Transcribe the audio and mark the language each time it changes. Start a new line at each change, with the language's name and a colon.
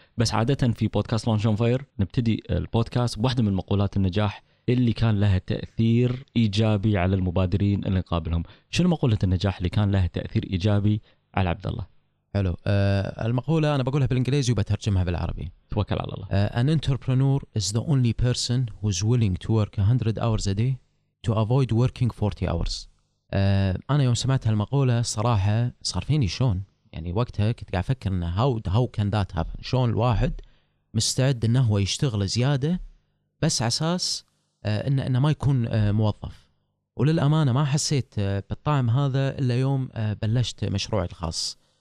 Arabic: بس عادة في بودكاست لانش أون فاير نبتدي البودكاست بواحدة من مقولات النجاح اللي كان لها تأثير إيجابي على المبادرين اللي نقابلهم. شنو مقولة النجاح اللي كان لها تأثير إيجابي على عبد الله؟ حلو. المقولة أنا بقولها بالإنجليزي وبترجمها بالعربي. توكل على الله.
English: An entrepreneur is the only person who's willing to work 100 hours a day to avoid working 40 hours.
Arabic: أنا يوم سمعت هالمقولة صراحة صار فيني شون. يعني وقتها كنت قاعد أفكر إنه
English: how can that happen؟
Arabic: شون الواحد مستعد إنه هو يشتغل زيادة بس عساس إن ما يكون موظف. وللأمانة ما حسيت بالطعم هذا إلا يوم بلشت مشروعي الخاص.